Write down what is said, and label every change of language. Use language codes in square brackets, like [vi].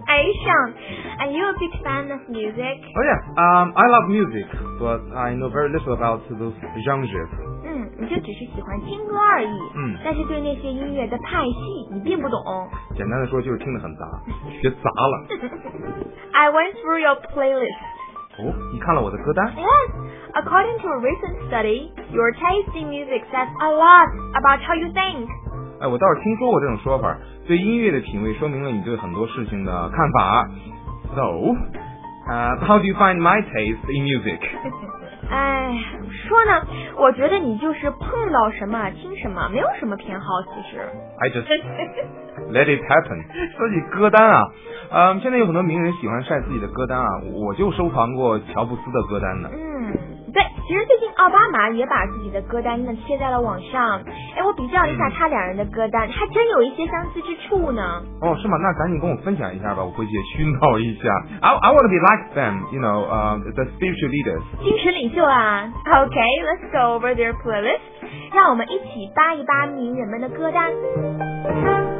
[en] Aishan, are you a big fan of music? Oh yeah, I love music, but I know very little about those genres. [zh] 你就只是喜欢听歌而已、但是对那些音乐的派系你并不懂。简单的说就是听得很杂，学杂了。 [en] I went through your playlist. [zh] 哦，你看了我的歌单？ [en] Yes, according to a recent study, your taste in music says a lot about how you think. [zh] 哎，我倒是听说过这种说法，对音乐的品味说明了你对很多事情的看法。 [en] So, how do you find my taste in music? [zh] 哎，说呢，我觉得你就是碰到什么听什么，没有什么偏好其实。 [en] I just let it happen. [zh] 说起歌单啊，现在有很多名人喜欢晒自己的歌单啊，我就收藏过乔布斯的歌单的。对，其实最近奥巴马也把自己的歌单呢贴在了网上。哎，我比较一下他两人的歌单，还真有一些相似之处呢。哦，是吗？那赶紧跟我分享一下吧，我回去也熏陶一下。 [en] I want to be like them, you know, the spiritual leaders. [zh] 精神领袖啊。 [en] Okay, let's go over their playlist. [zh] 让我们一起扒一扒名人们的歌单。